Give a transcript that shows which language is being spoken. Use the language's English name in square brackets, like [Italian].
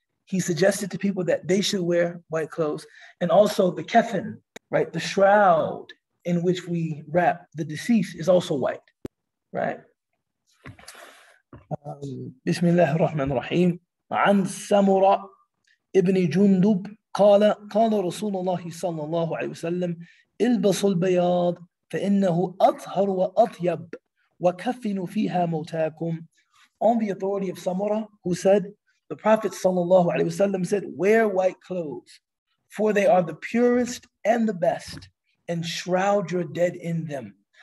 [English] He suggested to people that they should wear white clothes, and also the kefen, right? The shroud in which we wrap the deceased is also white, right? Bismillah ar-Rahman ar-Rahim. [Arabic] عن سمرة ابن جندب قال قال رسول الله صلى الله عليه وسلم البس البياض فإنه أطهر وأطيب وكفن فيها موتاكم. [English] On the authority of Samura, who said, the Prophet صلى الله عليه وسلم said, wear white clothes, for they are the purest and the best, and shroud your dead in them.